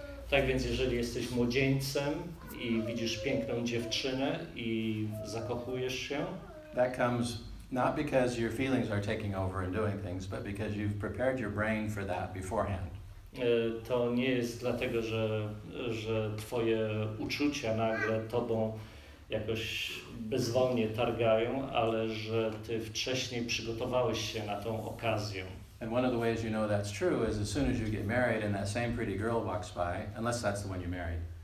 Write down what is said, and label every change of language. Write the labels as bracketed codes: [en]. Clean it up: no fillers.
[pl] Tak więc jeżeli jesteś młodzieńcem i widzisz piękną dziewczynę i zakochujesz się. [en] That comes not because your feelings are taking over and doing things, but because you've prepared your brain for that beforehand. [pl] To nie jest dlatego, że twoje uczucia nagle tobą jakoś bezwolnie targają, ale że ty wcześniej przygotowałeś się na tą okazję. [en] And one of the ways you know that's true is as soon as you get married and that same pretty girl walks by, unless that's the one you married.